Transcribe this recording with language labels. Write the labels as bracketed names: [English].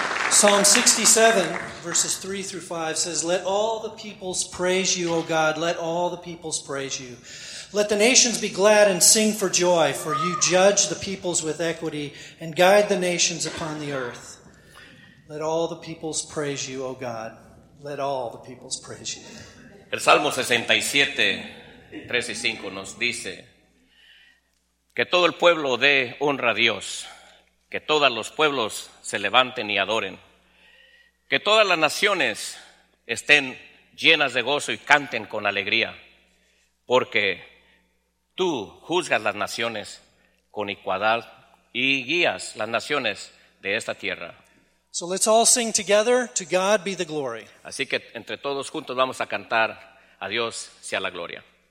[English] Psalm 67, verses 3 through 5 says, "Let all the peoples praise you, O God. Let all the peoples praise you. Let the nations be glad and sing for joy, for you judge the peoples with equity and guide the nations upon the earth. Let all the peoples praise you, O God. Let all the peoples praise you." [Spanish] El Salmo 67, 3 y 5 nos dice que todo el pueblo dé honra a Dios, que todos los pueblos se levanten y adoren, que todas las naciones estén llenas de gozo y canten con alegría, porque tú juzgas las naciones con equidad y guías las naciones de esta tierra. [English] So let's all sing together, to God be the glory. [Spanish] Así que entre todos juntos vamos a cantar, a Dios sea la gloria.